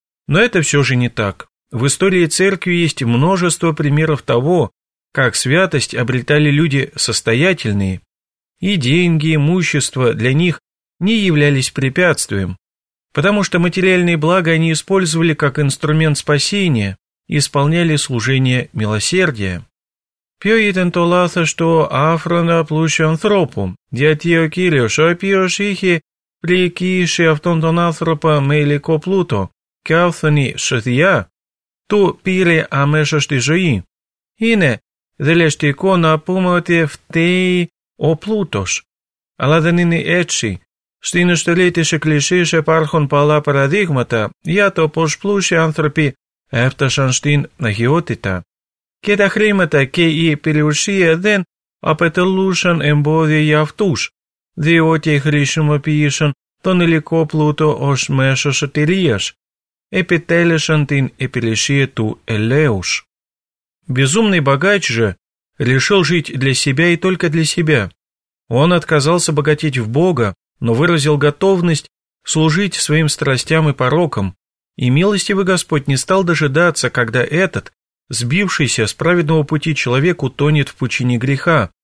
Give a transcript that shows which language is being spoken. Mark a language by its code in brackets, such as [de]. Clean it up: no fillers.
[ru] Но это все же не так. В истории церкви есть множество примеров того, как святость обретали люди состоятельные. И деньги, имущество для них не являлись препятствием. Потому что материальные блага они использовали как инструмент спасения, исполняли служение милосердия. [el] Ποιο ήταν το λάθος του άφρονα πλούσιου ανθρώπου, γιατί ο Κύριος, ο οποίος είχε πληκύσει αυτόν τον άνθρωπο με υλικό πλούτο και άφθονη σωθειά, του πήρε αμέσως τη ζωή. Είναι δελεστικό να πούμε ότι φταίει ο πλούτος. Αλλά δεν είναι έτσι. Στην ιστορία της Εκκλησίας υπάρχουν πολλά παραδείγματα για το πως πλούσιοι άνθρωποι Έφτασαν στην Αγιότητα. Και τα χρήματα και η περιουσία δεν απαιτελούσαν εμπόδια για αυτούς, διότι χρησιμοποίησαν τον υλικό πλούτο ως μέσο σωτηρίας. Επιτέλεσαν την υπηρεσία του Ελέους. [ru] Безумный богач же решил жить для себя и только для себя. Он отказался богатеть в Бога, но выразил готовность служить своим страстям и порокам. И милостивый Господь не стал дожидаться, когда этот, сбившийся с праведного пути человек, утонет в пучине греха.